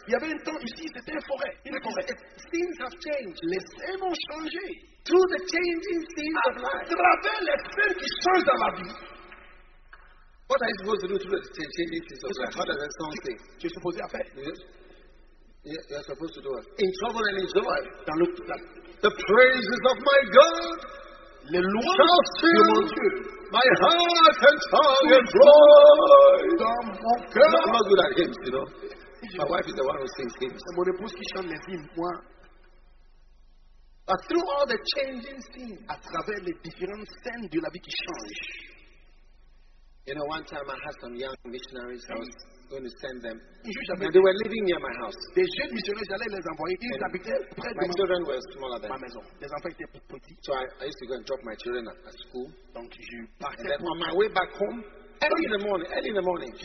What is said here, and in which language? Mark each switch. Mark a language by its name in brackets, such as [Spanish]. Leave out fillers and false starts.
[French] Il y avait un temps ici c'était une forêt. Une forêt. [English] Things have changed. [French] Les scènes ont changé. [English] Through the changing scenes of life. [French] À travers les scènes qui changent dans ma vie. [English] What are you supposed to do through the changing scenes of life? What does that song say? [French] Tu es supposé à faire. [English] Yes. You are supposed to do it. In trouble and in joy. Now look at that. The praises of my God [French] Les louanges [English] shall fill [French] de mon Dieu. [English] My heart and tongue and voice. I'm not good at hymns, you know. My wife is the one who sings hymns. [French] C'est mon épouse qui chante les hymns, moi. [English] But through all the changing scenes, [French] à travers les différentes scènes de la vie qui change. [English] You know, one time I had some young missionaries. I was going to send them. And they were living near my house. [French] Des jeunes missionnaires, j'allais les envoyer. Ils habitaient près de [English] my children were smaller than [French] ma maison. Les enfants étaient plus petits. [English] So I used to go and drop my children at school. [French] Donc je partais. [English] And then on my way back home, early in the morning,